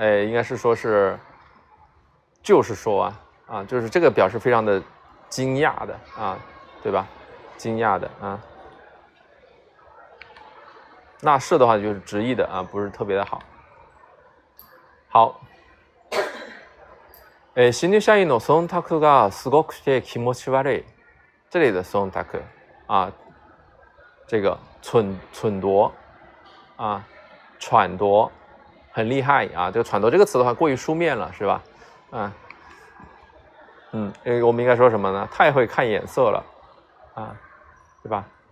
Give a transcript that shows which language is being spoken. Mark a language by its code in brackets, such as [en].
[zh] 应该是说是，就是说啊，就是这个表示非常的惊讶的啊，对吧？惊讶的啊。那是的话就是直译的啊，不是特别的好。好。 [ja] 新入社員の忖度がすごくて気持ち悪い。 [zh] 这里的忖度啊，这个蠢夺啊，喘夺，很厉害啊。这个喘夺这个词的话过于书面了，是吧？我们应该说什么呢？太会看眼色了啊，对吧？